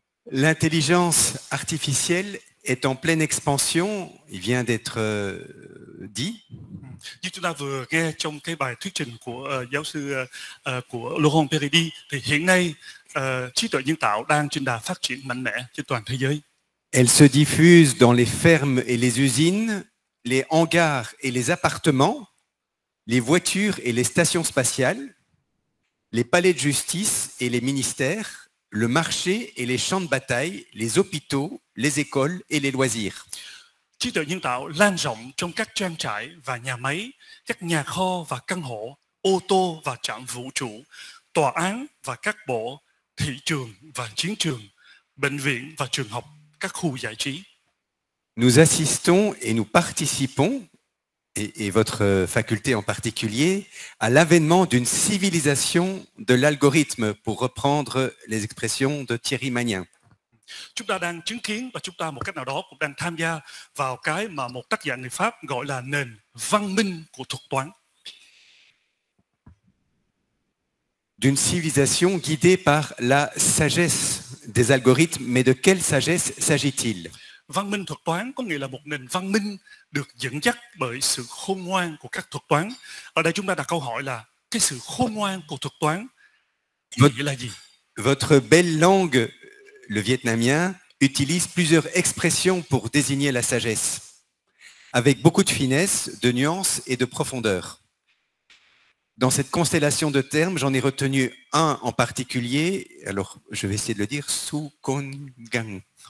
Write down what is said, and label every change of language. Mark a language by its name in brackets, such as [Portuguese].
[French] L'intelligence artificielle est en pleine expansion, il vient d'être dit. [Vietnamese] Như chúng ta vừa nghe trong cái bài thuyết trình của giáo sư của Laurent Peridi, thì hiện nay trí tuệ nhân tạo đang trên đà phát triển mạnh mẽ trên toàn thế giới. [French] Elle se diffuse dans les fermes et les usines, les hangars et les appartements, les voitures et les stations spatiales, les palais de justice et les ministères, le marché et les champs de bataille, les hôpitaux, les écoles et les loisirs. [Vietnamese] Trí tuệ nhân tạo lan rộng trong các trang trại và nhà máy, các nhà kho và căn hộ, ô tô và trạm vũ trụ, tòa án và các bộ, thị trường và chiến trường, bệnh viện và trường học, các khu giải trí. [French] Nous assistons et nous participons, et votre faculté en particulier, à l'avènement d'une civilisation de l'algorithme, pour reprendre les expressions de Thierry Magnin. [Vietnamese] Chúng ta đang chứng kiến và chúng ta một cách nào đó cũng đang tham gia vào cái mà một tác giả người Pháp gọi là nền văn minh của thuật toán. [French] D'une civilisation guidée par la sagesse des algorithmes, mais de quelle sagesse s'agit-il? [Vietnamese] Văn minh thuật toán có nghĩa là một nền văn minh được dẫn dắt bởi sự khôn ngoan của các thuật toán. Ở đây chúng ta đặt câu hỏi là cái sự khôn ngoan của thuật toán nghĩa là gì? [French] Votre belle langue, le vietnamien, utilise plusieurs expressions pour désigner la sagesse, avec beaucoup de finesse, de nuance et de profondeur. Dans cette constellation de termes, j'en ai retenu un en particulier, alors je vais essayer de le dire, su con gang.